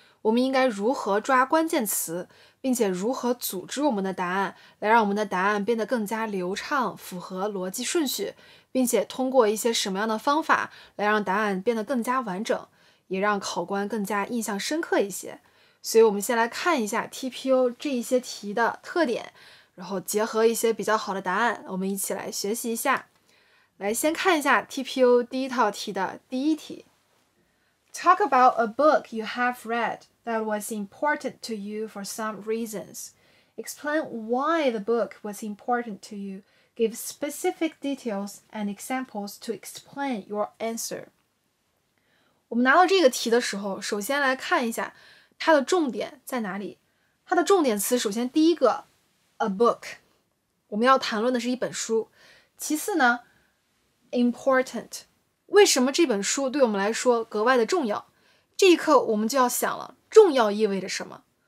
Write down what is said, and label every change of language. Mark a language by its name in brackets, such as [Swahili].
[Chinese] 我们应该如何抓关键词，并且如何组织我们的答案，来让我们的答案变得更加流畅，符合逻辑顺序，并且通过一些什么样的方法来让答案变得更加完整，也让考官更加印象深刻一些。所以，我们先来看一下 TPO 这一些题的特点，然后结合一些比较好的答案，我们一起来学习一下。来，先看一下 TPO 第一套题的第一题。 [English] Talk about a book you have read that was important to you for some reasons. Explain why the book was important to you. Give specific details and examples to explain your answer. [Chinese] 我们拿到这个题的时候，首先来看一下它的重点在哪里。它的重点词首先第一个 [English] a book， [Chinese] 我们要谈论的是一本书。其次呢 ，important。为什么这本书对我们来说格外的重要？这一刻我们就要想了，重要意味着什么？